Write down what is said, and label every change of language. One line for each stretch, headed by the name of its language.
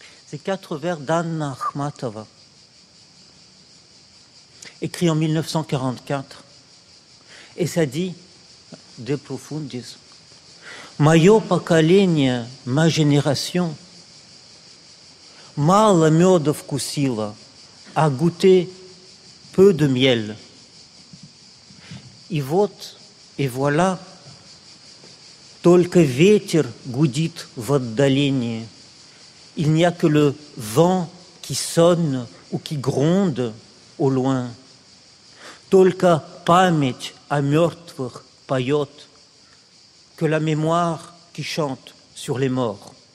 French: Ces quatre vers d'Anna Akhmatova, écrit en 1944. Et ça dit, de profundis,
Russian: «Мое поколение,
French: ma génération,
Russian: мало меда вкусило,
French: а goûté peu de miel.
Russian: И вот,
French: et voilà,
Russian: только ветер гудит в отдалении.
French: Il n'y a que le vent qui sonne ou qui gronde au loin.
Russian: Только память о мертвых поет,
French: que la mémoire qui chante sur les morts.